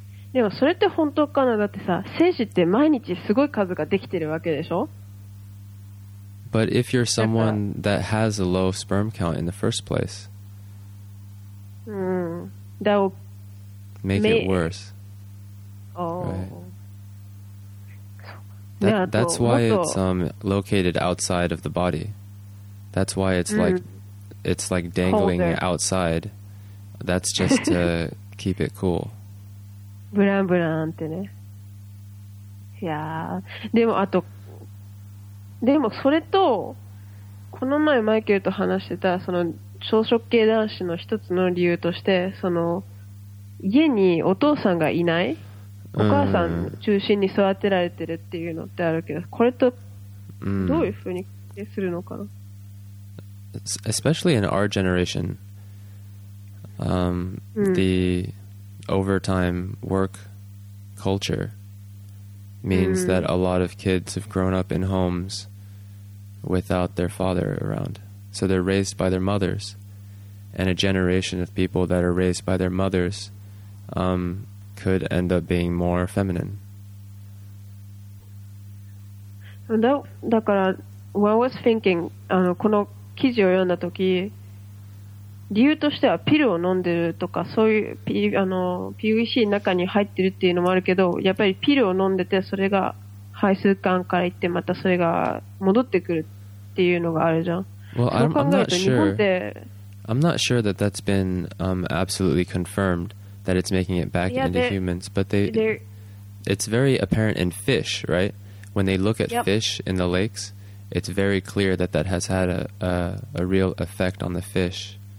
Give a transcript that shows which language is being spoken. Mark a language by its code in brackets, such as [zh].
[ja] でもそれって本当かな。だってさ、精子って毎日すごい数ができてるわけでしょ。 [en] But if you're someone that has a low sperm count in the first place, that will make it worse. That's why it's located outside of the body. That's why it's like dangling outside. That's just to keep it cool. [ja] ブランブランってね。いやー、でもあと、でもそれと、この前マイケルと話してた、その、草食系男子の一つの理由として、その、家にお父さんがいない、お母さん中心に育てられてるっていうのってあるけど、これと、どういうふうにするのかな。 [en] Especially in our generation, the,overtime work culture means that a lot of kids have grown up in homes without their father around. So they're raised by their mothers. And a generation of people that are raised by their mothers could end up being more feminine. [ja] だから、 [en] when I was thinking, [ja] この記事を読んだ時理由としてはピルを飲んでるとかそういう PVC の中に入ってるっていうのもあるけど、やっぱりピルを飲んでてそれが排出管から行ってまたそれが戻ってくるっていうのがあるじゃん。 [en] Well, [ja] そう考えると [en] I'm not sure that that's been absolutely confirmed that it's making it back into humans, but it's very apparent in fish, right? When they look at fish in the lakes, it's very clear that that has had a real effect on the fish.